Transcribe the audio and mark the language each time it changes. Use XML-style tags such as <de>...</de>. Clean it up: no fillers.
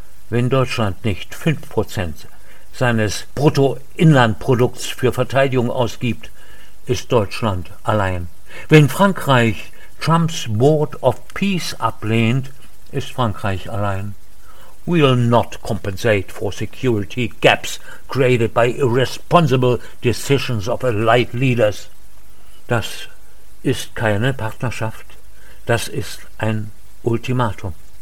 <de>Wenn Deutschland nicht 5% seines Bruttoinlandprodukts für Verteidigung ausgibt, ist Deutschland allein. Wenn Frankreich Trumps Board of Peace ablehnt, ist Frankreich allein.</de> <en>We'll not compensate for security gaps created by irresponsible decisions of allied leaders.</en> <de>Das ist keine Partnerschaft. Das ist ein Ultimatum.</de>